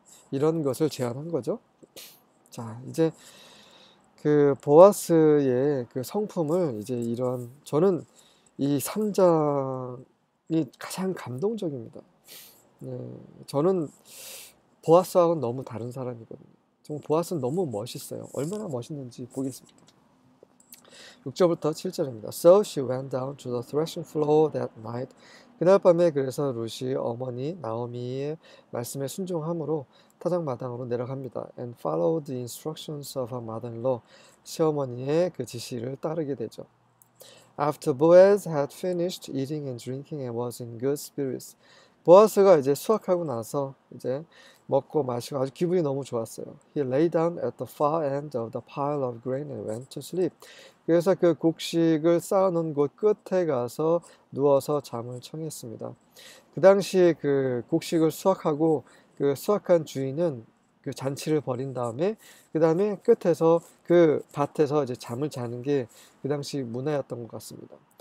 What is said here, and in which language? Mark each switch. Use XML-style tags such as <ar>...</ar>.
<ko>이런 것을 제안한 거죠. 자, 이제 그 보아스의 그 성품을 이제 이런 저는 이 3장 이 가장 감동적입니다. 저는 보아스하고는 너무 다른 사람이거든요. 정말 보아스는 너무 멋있어요. 얼마나 멋있는지 보겠습니다. 6절부터 7절입니다.</ko> <en>So she went down to the threshing floor that night.</en> <ko>그날 밤에 그래서 룻이 어머니 나오미의 말씀에 순종함으로 타작마당으로 내려갑니다.</ko> <en>And followed the instructions of her mother-in-law.</en> <ko>시어머니의 그 지시를 따르게 되죠.</ko> <en>After Boaz had finished eating and drinking and was in good spirits,</en> <ko>보아스가 이제 수확하고 나서 이제 먹고 마시고 아주 기분이 너무 좋았어요.</ko> <en>He lay down at the far end of the pile of grain and went to sleep.</en> <ko>그래서 그 곡식을 쌓아놓은 곳 끝에 가서 누워서 잠을 청했습니다. 그 당시 그 곡식을 수확하고 그 수확한 주인은 그 잔치를 벌인 다음에 그 다음에 끝에서 그 밭에서 이제 잠을 자는 게그 당시 문화였던 것 같습니다.</ko>